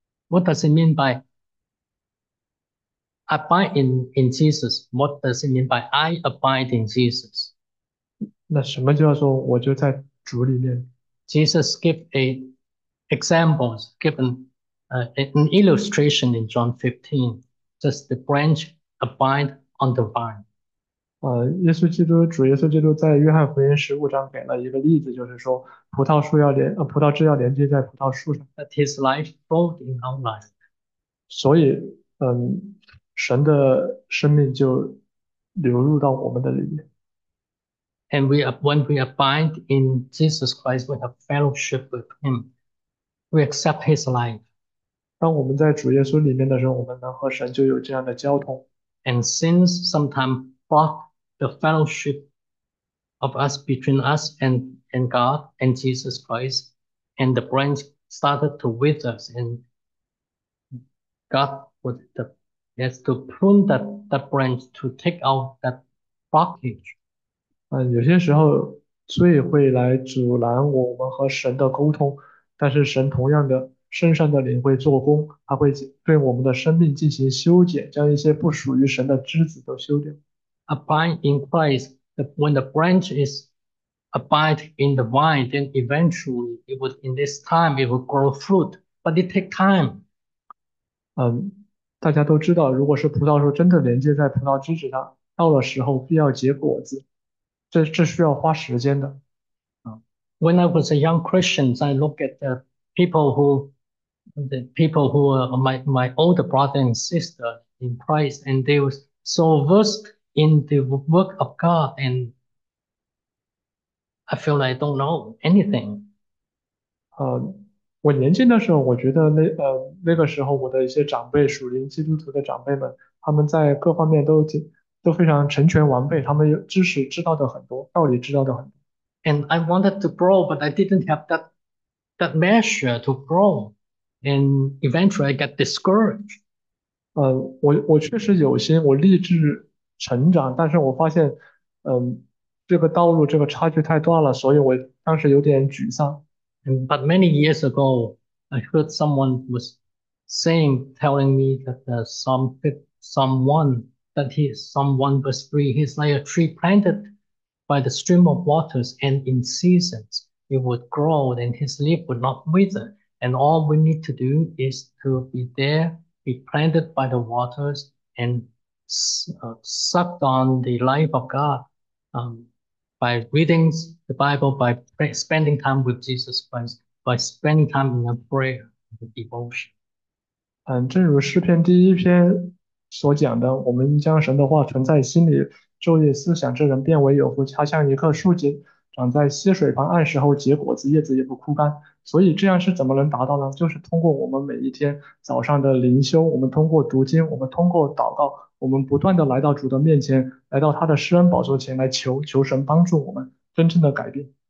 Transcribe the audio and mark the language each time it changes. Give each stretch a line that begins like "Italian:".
English: What does it mean by abide in Jesus? What does it mean by I abide in Jesus?
Chinese: 那什么叫做我就在主里面？
English: Jesus gave a examples, given an illustration in John 15, just the branch abide on the vine.
Chinese: 耶稣基督，主耶稣基督在约翰福音15章给了一个例子，就是说葡萄树要连，葡萄枝要连接在葡萄树上。
English: That his life flowed in our life.
Chinese: 所以，神的生命就流入到我们的里面。
English: And we are, when we abide in Jesus Christ, we have fellowship with him. We accept his life.
Chinese: 当我们在主耶稣里面的时候，我们能和神就有这样的交通。
English: And sins sometimes block the fellowship of us between us and God and Jesus Christ, and the branch started to wither us, and God would has to prune that branch to take out that blockage.
Chinese: 有些时候罪会来阻拦我们和神的沟通，但是神同样的身上的灵会做工，他会对我们的生命进行修剪，将一些不属于神的枝子都修掉。
English: Abide in Christ, when the branch is abide in the vine, then eventually it would in this time it would grow fruit, but it take time.
Chinese: 大家都知道，如果是葡萄树真的连接在葡萄枝子上，到了时候必要结果子。这需要花时间的。
English: When I was a young Christian, I look at the people who are my older brother and sister in Christ, and they were so versed in the work of God, and I feel like I don't know anything.
Chinese: 我年轻的时候，我觉得那个时候，我的一些长辈，属灵基督徒的长辈们，他们在各方面都非常成全完备，他们有知识知道的很多，道理知道的很多。
English: And I wanted to grow, but I didn't have that measure to grow, and eventually I got discouraged.
Chinese: 我确实有心，我立志成长，但是我发现，这个道路这个差距太大了，所以我当时有点沮丧。
English: But many years ago, I heard someone was telling me that someone verse three, he's like a tree planted by the stream of waters, and in seasons it would grow, and his leaf would not wither. And all we need to do is to be there, be planted by the waters, and sucked on the life of God, by reading the Bible, by spending time with Jesus Christ, by spending time in a prayer, the devotion.
Chinese: 正如诗篇第一篇所讲的，我们将神的话存在心里，昼夜思想，这人变为有福。他像一棵树井，长在溪水旁，按时候结果子，叶子也不枯干。所以这样是怎么能达到呢？就是通过我们每一天早上的灵修，我们通过读经，我们通过祷告，我们不断地来到主的面前，来到他的施恩宝座前来求神帮助我们真正的改变。